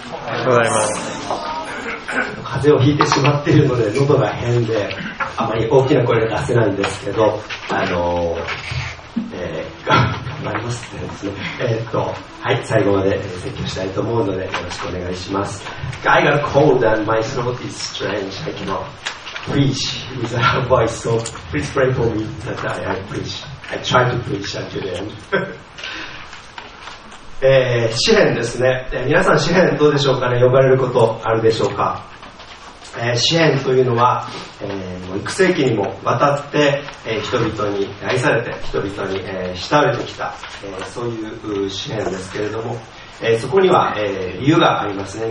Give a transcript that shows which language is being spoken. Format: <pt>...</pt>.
<ja>おはようございます。風邪をひいてしまっているので喉が変であまり大きな声が出せないんですけど、頑張りますってですね、はい、最後まで説教したいと思うのでよろしくお願いします。</ja> <en>I got cold and my throat is strange. I cannot preach with a voice, so please pray for me that I preach. I try to preach until the end.</en> <ja>詩編ですね、皆さん詩編どうでしょうかね、呼ばれることあるでしょうか。詩編というのは、幾世紀にもわたって、人々に愛されて人々に、慕われてきた、そういう詩編ですけれども、そこには、理由がありますね。</ja>